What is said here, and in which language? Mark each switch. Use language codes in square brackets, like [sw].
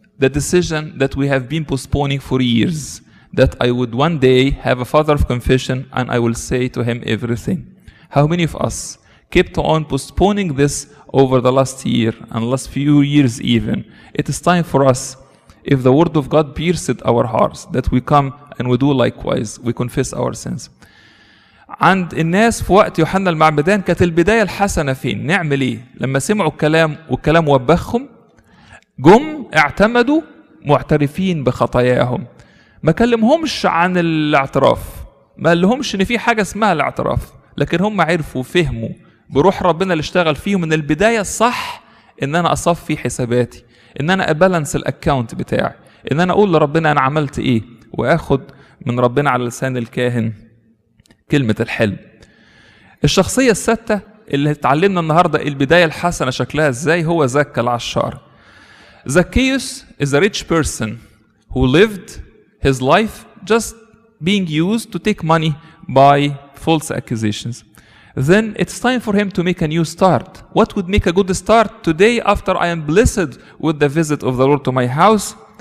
[en] The decision that we have been postponing for years, that I would one day have a father of confession and I will say to him everything. How many of us kept on postponing this over the last year and last few years even? It is time for us, if the word of God pierced our hearts, that we come and we do likewise, we confess our sins. [ar] عند الناس في وقت يوحنا المعمدان كانت البداية الحسنة فين؟ نعمل ايه؟ لما سمعوا الكلام والكلام وبخهم، جم اعتمدوا معترفين بخطاياهم. ما كلمهمش عن الاعتراف، ما قالهمش ان في حاجة اسمها الاعتراف، لكن هم عرفوا فهموا بروح ربنا اللي اشتغل فيهم من البداية الصح ان انا اصفي حساباتي، ان انا [en] ابالانس الاكاونت [ar] بتاعي، ان انا اقول لربنا انا عملت ايه، واخد من ربنا على لسان الكاهن كلمه الحلم. الشخصية الستة اللي اتعلمنا النهاردة البداية الحسنة شكلها ازاي هو زكا العشار. [en] Zacchaeus is a rich person who lived his life just being used to take money by false accusations. Then it's time for him to make a new start. What would make a good start today after I am blessed with the visit of the Lord to my house?